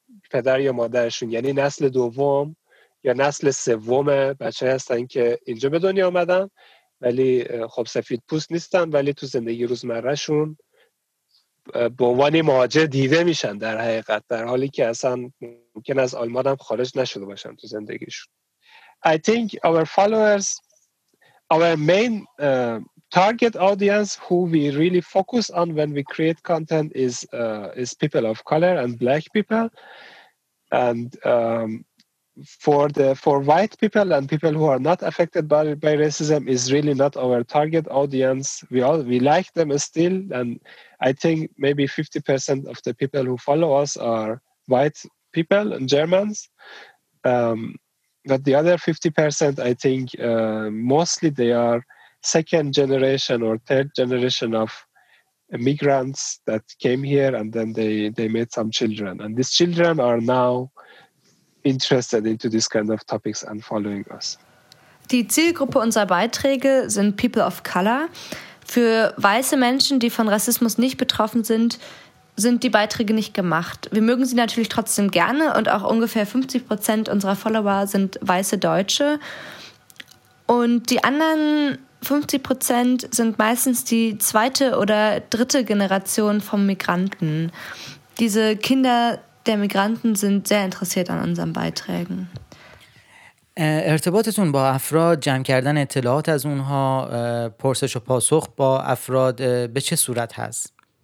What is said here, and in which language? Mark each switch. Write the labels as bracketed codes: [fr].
[fa] پدر یا مادرشون، یعنی نسل دوم یا نسل سوم بچه هستن که اینجا به دنیا آمدن، ولی خب سفید پوست نیستن، ولی تو زندگی روزمره شون به عنوان مهاجر دیده میشن در حقیقت، در حالی که اصلا ممکن از آلمان هم خارج نشده باشن تو زندگیشون. [en] I think our followers, our main target audience who we really focus on when we create content is people of color and black people. And For white people and people who are not affected by racism is really not our target audience. We like them still, and I think maybe 50% of the people who follow us are white people and Germans. But the other 50%, I think mostly they are second generation or third generation of immigrants that came here and then they made some children, and these children are now interested into this kind of topics and following us. [de] Die Zielgruppe unserer Beiträge sind People of Color. Für weiße Menschen, die von Rassismus nicht betroffen sind, sind die Beiträge nicht gemacht. Wir mögen sie natürlich trotzdem gerne, und auch ungefähr 50% unserer Follower sind weiße Deutsche. Und die anderen 50% sind meistens die zweite oder dritte Generation von Migranten. Diese Kinder der Migranten sind sehr interessiert an unseren Beiträgen. [fa] ارتباطتون با افراد، جمع کردن اطلاعات از اونها، پرسش و پاسخ با افراد به چه صورت هست؟